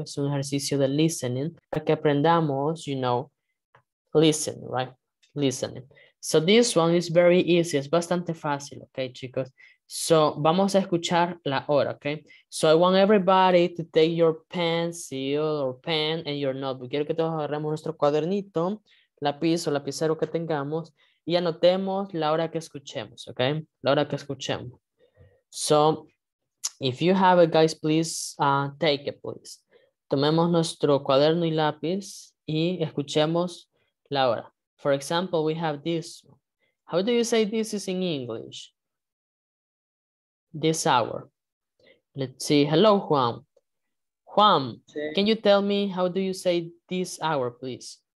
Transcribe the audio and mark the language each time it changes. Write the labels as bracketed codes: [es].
[es] Es un ejercicio de listening. Para que aprendamos, you know, listen, right? Listening. [en] So this one is very easy. Es bastante fácil, okay, chicos? [es] So vamos a escuchar la hora, okay? [en] So I want everybody to take your pencil or pen and your notebook. [es] Quiero que todos agarremos nuestro cuadernito, lápiz o lapicero que tengamos y anotemos la hora que escuchemos, okay? La hora que escuchemos. [en] So if you have it, guys, please take it, please. [es] Tomemos nuestro cuaderno y lápiz y escuchemos la hora. [en] For example, we have this. How do you say this is in English? This hour. Let's see. Hello, Juan. Juan, sí. Can you tell me how do you say this hour, please?